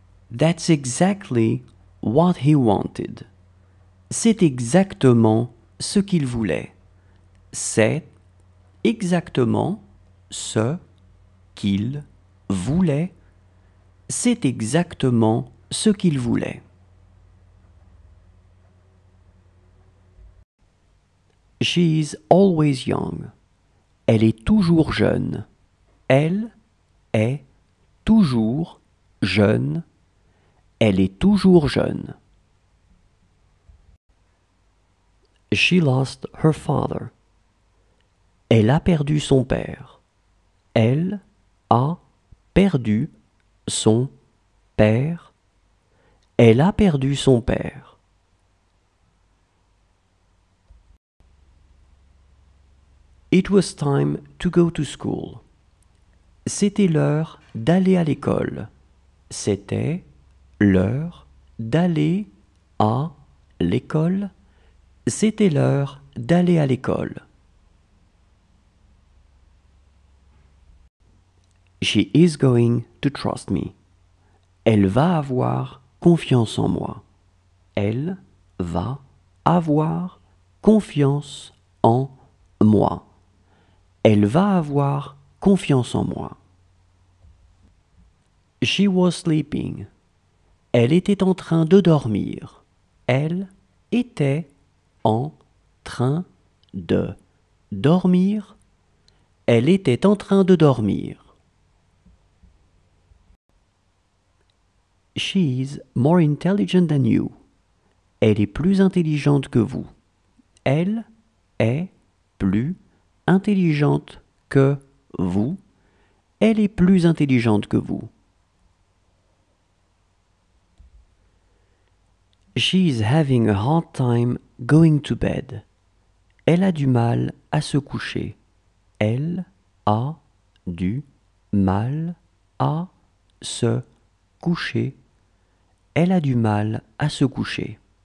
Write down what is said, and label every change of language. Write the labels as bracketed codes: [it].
[en] That's exactly what he wanted. [fr] C'est exactement ce qu'il voulait. C'est exactement ce qu'il voulait. C'est exactement ce qu'il voulait. [en] She's always young. [fr] Elle est toujours jeune. Elle est toujours jeune. Elle est toujours jeune. [en] She lost her father. [fr] Elle a perdu son père. Elle a perdu son père. Elle a perdu son père. [en] It was time to go to school. [fr] C'était l'heure d'aller à l'école. C'était l'heure d'aller à l'école. C'était l'heure d'aller à l'école. [en] She is going to trust me. [fr] Elle va avoir confiance en moi. Elle va avoir confiance en moi. Elle va avoir confiance en moi. [en] She was sleeping. [fr] Elle était en train de dormir. Elle était en train de dormir. Elle était en train de dormir. [en] She's more intelligent than you. [fr] Elle est plus intelligente que vous. Elle est plus intelligente que vous. Elle est plus intelligente que vous. [en] She's having a hard time going to bed. [fr] Elle a du mal à se coucher. Elle a du mal à se coucher. Elle a du mal à se coucher.